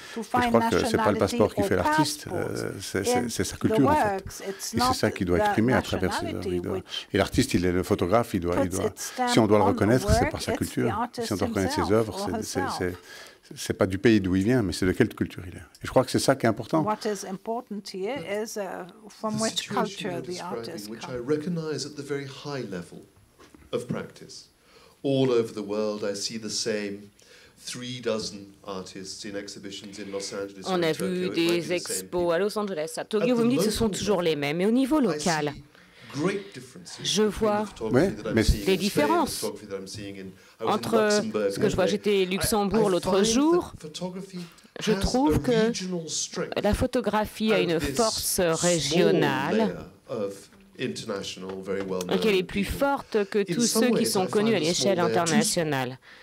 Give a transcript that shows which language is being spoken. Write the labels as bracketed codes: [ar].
[fr] Et je crois que ce n'est pas le passeport qui fait l'artiste, c'est sa culture, en fait. Et c'est ça qui doit exprimer à travers ses œuvres. Et l'artiste, il est le photographe, il doit, si on doit le reconnaître, c'est par sa culture. Si on doit reconnaître ses œuvres, c'est pas du pays d'où il vient, mais c'est de quelle culture il est. Et je crois que c'est ça qui est important. [en] What is important here is from which culture the artist comes. Which I recognize at the very high level of practice. All over the world, I see the same 3 dozen artists in exhibitions in Los Angeles. [fr] On a vu des expos à Los Angeles, à Tokyo. Vous me dites, ce sont toujours les mêmes. Mais au niveau local, je vois des différences entre ce que je vois. J'étais Luxembourg l'autre jour. Je trouve que la photographie a une force régionale qui est plus forte que tous ceux qui sont connus à l'échelle internationale.